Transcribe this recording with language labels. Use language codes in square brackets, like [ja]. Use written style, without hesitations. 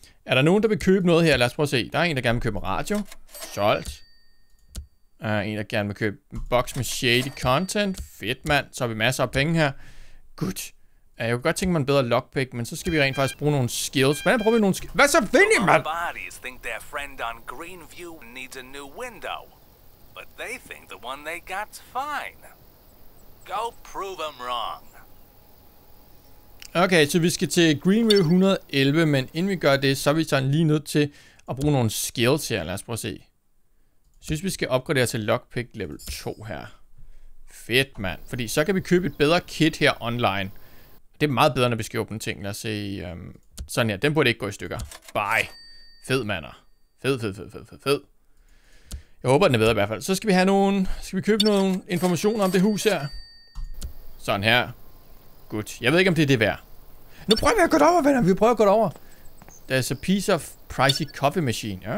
[da] Er der nogen, der vil købe noget her? Lad os prøve at se. Der er en, der gerne vil købe radio. Solgt. En, der gerne vil købe en boks med shady content. Fedt, mand. Så har vi masser af penge her. Good. Jeg kunne godt tænke mig en bedre lockpick, men så skal vi rent faktisk bruge nogle skills. Hvordan prøver vi nogle skills? Hvad så vinder, mand? [en] Some bodies think their friend on Greenview needs a new window. But they think the one they got's fine. Go prove them wrong. [da] Okay, så vi skal til Greenview 111, men inden vi gør det, så er vi sådan lige nødt til at bruge nogle skills her. Lad os prøve at se. Jeg synes, vi skal opgradere til lockpick level 2 her. Fedt, mand. Fordi så kan vi købe et bedre kit her online. Det er meget bedre, når vi skal åbne ting. Lad os se. Sådan her. Den burde ikke gå i stykker. Bye. Fed, mander. Fed. Jeg håber, den er bedre i hvert fald. Så skal vi have nogen. Skal vi købe nogle informationer om det hus her? Sådan her. Godt. Jeg ved ikke, om det er det værd. Nu prøver vi at gå derover, venner. Vi prøver at gå derover. [en] There's a piece of pricey coffee machine.